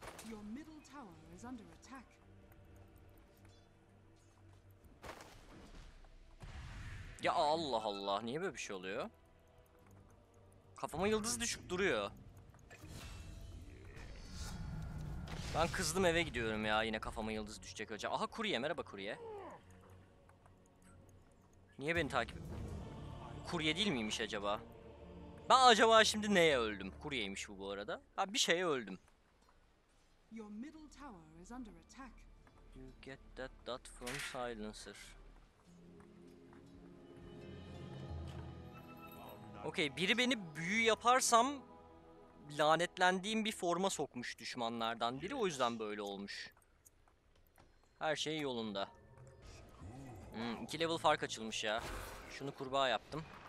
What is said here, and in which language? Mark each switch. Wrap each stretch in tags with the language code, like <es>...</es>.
<en>Your middle tower is under attack.</en> <tr>Ya Allah Allah, niye böyle bir şey oluyor? Kafama yıldız düşüp duruyor. Ben kızdım, eve gidiyorum ya, yine kafama yıldız düşecek hoca. Aha kurye, merhaba kurye. Niye beni takip... Kurye değil miymiş acaba? Ben acaba şimdi neye öldüm? Kuryeymiş bu arada. Ha, bir şeye öldüm.</tr> <en>Your middle tower is under attack. You get that dot from silencer.</en> <tr>Okay, biri beni büyü yaparsam lanetlendiğim bir forma sokmuş düşmanlardan biri, o yüzden böyle olmuş. Her şey yolunda. 2 level fark açılmış ya. Şunu kurbağa yaptım.</tr>